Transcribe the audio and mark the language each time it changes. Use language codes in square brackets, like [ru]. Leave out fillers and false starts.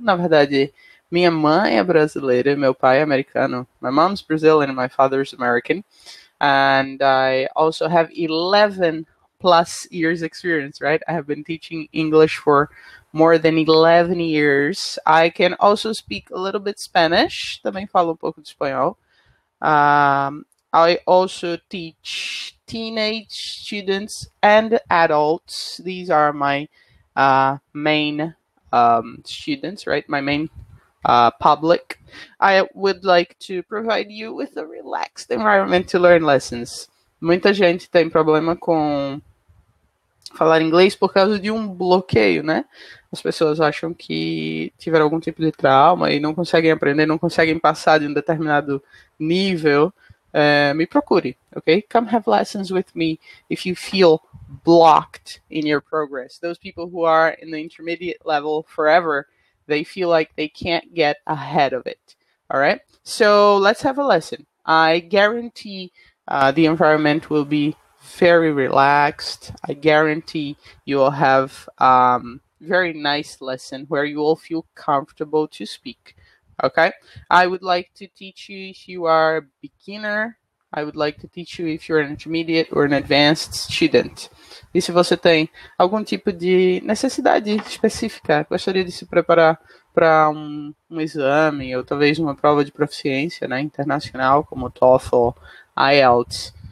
[pt] Na verdade, minha mãe é brasileira, meu pai é americano. [en] My mom's Brazilian and my father's American. And I also have 11 plus years experience, right? I have been teaching English for more than 11 years. I can also speak a little bit Spanish. [pt] Também falo um pouco de espanhol. [en] I also teach teenage students and adults. These are my main students, right? My main public. I would like to provide you with a relaxed environment to learn lessons. [pt] Muita gente tem problema com falar inglês por causa de um bloqueio, né? As pessoas acham que tiveram algum tipo de trauma e não conseguem aprender, não conseguem passar de um determinado nível. Me procure, ok? [en] Come have lessons with me if you feel blocked in your progress. Those people who are in the intermediate level forever, they feel like they can't get ahead of it. All right? So let's have a lesson. I guarantee the environment will be very relaxed. I guarantee you will have very nice lesson where you will feel comfortable to speak. Okay? I would like to teach you if you are a beginner. I would like to teach you if you're an intermediate or an advanced student. [pt] E se você tem algum tipo de necessidade específica, gostaria de se preparar para um exame ou talvez uma prova de proficiência, né, internacional, como TOEFL, IELTS.